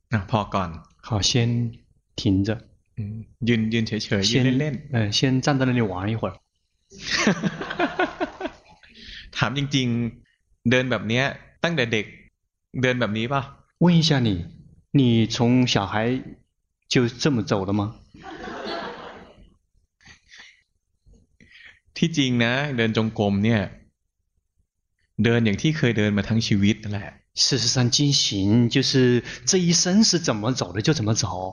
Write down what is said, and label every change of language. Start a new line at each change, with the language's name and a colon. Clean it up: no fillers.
Thai: พอก่อน
Chinese: 好先停着
Thai: ยืนเฉยๆยืนเล่น
Chinese: ๆ先站在那里玩一会儿
Thai: ถามจริงๆเดินแบบนี้ตั้งแต่เด็กเดินแบบนี้ป่ะ
Chinese: 问一下你从小孩就这么走的吗
Thai: ที่จริงนะเดินจงกรมเนี่ยเดินอย่างที่เคยเดินมาทั้งชีวิตนั่นแหละ
Chinese: 事实上进行就是这一生是怎么走的就怎么走